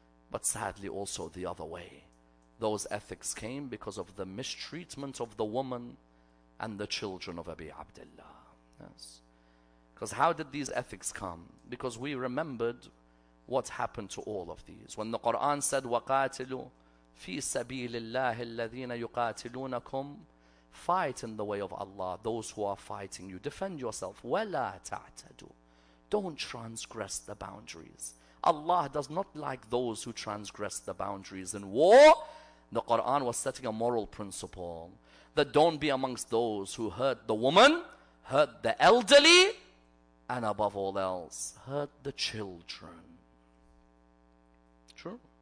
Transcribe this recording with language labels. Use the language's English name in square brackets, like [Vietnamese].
[English] But sadly also the other way. Those ethics came because of the mistreatment of the woman and the children of Abi Abdullah. Yes. Because how did these ethics come? Because we remembered what happened to all of these. When the Quran said, [Arabic] وَقَاتِلُوا فِي سَبِيلِ اللَّهِ الَّذِينَ يُقَاتِلُونَكُمْ. [English] Fight in the way of Allah, those who are fighting you. Defend yourself. [Arabic] وَلَا تَعْتَدُوا. [English] Don't transgress the boundaries. Allah does not like those who transgress the boundaries in war. The Quran was setting a moral principle that don't be amongst those who hurt the woman, hurt the elderly, and above all else, hurt the children. True.